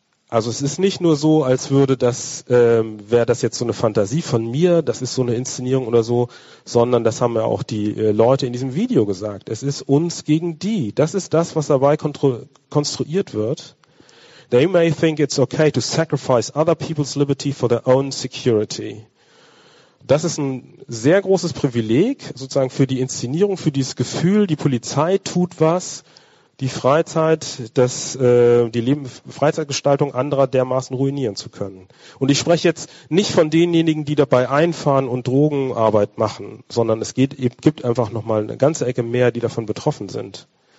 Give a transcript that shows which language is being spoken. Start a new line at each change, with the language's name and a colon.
German: Also es ist nicht nur so, als würde das, wäre das jetzt so eine Fantasie von mir, das ist so eine Inszenierung oder so, sondern das haben ja auch die Leute in diesem Video gesagt. Es ist uns gegen die. Das ist das, was dabei konstruiert wird.
English: They may think it's okay to sacrifice other people's liberty for their own security.
German: Das ist ein sehr großes Privileg, sozusagen für die Inszenierung, für dieses Gefühl, die Polizei tut was, die Freizeit, Freizeitgestaltung anderer dermaßen ruinieren zu können. Und ich spreche jetzt nicht von denjenigen, die dabei einfahren und Drogenarbeit machen, sondern es gibt einfach nochmal eine ganze Ecke mehr, die davon betroffen sind.